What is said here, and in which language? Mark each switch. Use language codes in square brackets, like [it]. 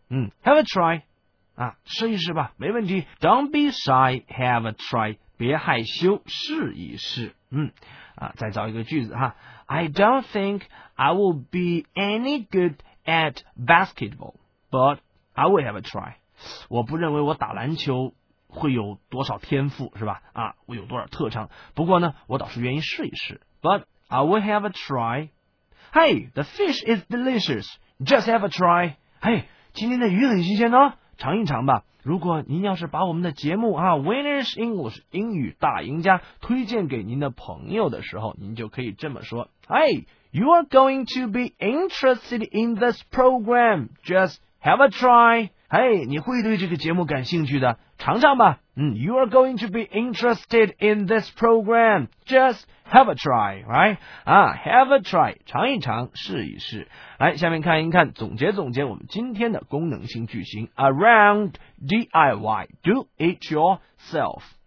[zh] 嗯 , [en] Have a try, [zh] 啊试一试吧没问题。 [en] Don't be shy, have a try, [zh] 别害羞试一试。嗯啊再找一个句子哈。 [en] I don't think I will be any goodAt basketball, but I will have a try. [zh] 我不认为我打篮球会有多少天赋，是吧？啊，我有多少特长？不过呢，我倒是愿意试一试。 [en] But I will have a try. Hey, the fish is delicious. Just have a try. [zh] Hey, 今天的鱼很新鲜呢、哦，尝一尝吧。如果您要是把我们的节目啊 ，Winners English 英语大赢家推荐给您的朋友的时候，您就可以这么说 ：Hey。 [en] You are going to be interested in this program. Just have a try. [zh] Hey, 你会对这个节目感兴趣的，尝尝吧。 [en] 嗯 ，You are going to be interested in this program. Just have a try, right? 啊 ，have a try， [zh] 尝一尝，试一试。来，下面看一看，总结总结我们今天的功能性句型 ： [en] around DIY, do it yourself.